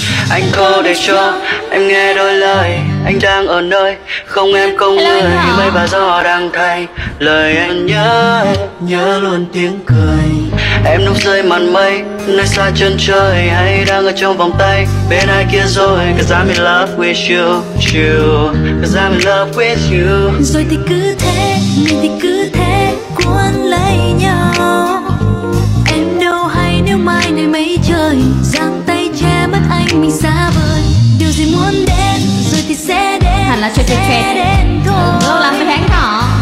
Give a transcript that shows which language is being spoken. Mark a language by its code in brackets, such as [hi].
[vi] Anh có để cho em nghe đôi lời. Anh đang ở nơi không em không người. Mây và gió đang thay lời anh nhớ. Nhớ luôn tiếng cười. Em núp dưới màn mây nơi xa chân trời. Hay đang ở trong vòng tay bên ai kia rồi. [en] Cause I'm in love with you, you. Cause I'm in love with you. [vi] Rồi thì cứ thế, mình thì cứ thế cuốn lấy nhau. Em đâu hay nếu mai này mây trời giăng tay che mất anh mình xa vời. Điều gì muốn đến rồi thì sẽ đến. Hẳn là chuyện sẽ đến thôi. Lâu lắm mới thấy anh thỏ.